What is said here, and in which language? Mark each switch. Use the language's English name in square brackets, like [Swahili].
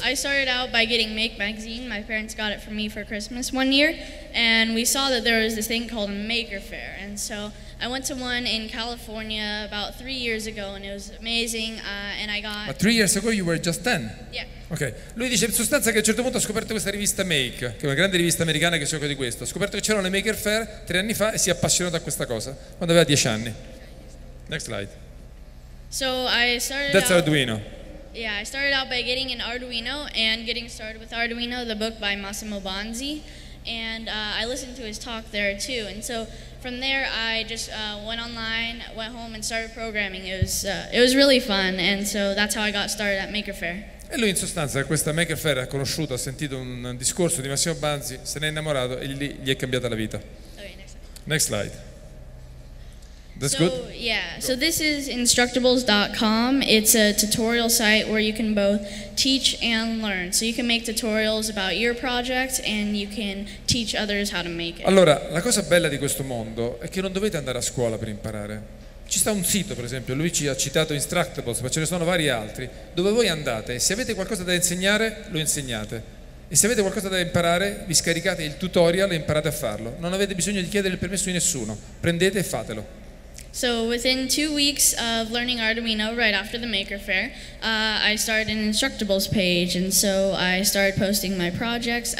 [English] I started out by getting Make Magazine. My parents got it for me for Christmas one year, and we saw that there was this thing called a Maker Faire, and so I went to one in California about 3 years ago, and it was amazing, and I got... But 3 years ago you were just 10? Yeah. Okay. [Italian] Lui dice in sostanza che a un certo punto ha scoperto questa rivista Make, che è una grande rivista americana che si occupa di questo. Ha scoperto che c'erano le Maker Faire 3 anni fa e si è appassionato a questa cosa, quando aveva 10 anni. [English] Next slide. So I started That's out... Arduino. Yeah, I started out by getting an Arduino and getting started with Arduino, the book by Massimo Banzi, and I listened to his talk there too. And so from there, I just went online, went home, and started programming. It was really fun, and so that's how I got started at Maker Faire. [Italian] E lui in sostanza, questa Maker Faire, ha conosciuto, ha sentito un discorso di Massimo Banzi, se n'è innamorato e gli è cambiata la vita. [English] Okay, next slide. Next slide. That's so good. Yeah, go. So this is Instructables.com. It's a tutorial site where you can both teach and learn. So you can make tutorials about your project and you can teach others how to make it. [Italian] Allora, la cosa bella di questo mondo è che non dovete andare a scuola per imparare. Ci sta un sito, per esempio, lui ci ha citato Instructables, ma ce ne sono vari altri, dove voi andate e se avete qualcosa da insegnare, lo insegnate. E se avete qualcosa da imparare, vi scaricate il tutorial e imparate a farlo. Non avete bisogno di chiedere il permesso di nessuno. Prendete e fatelo. [English] So within 2 weeks of learning Arduino, right after the Maker Faire, I started an Instructables page, and so I started posting my projects.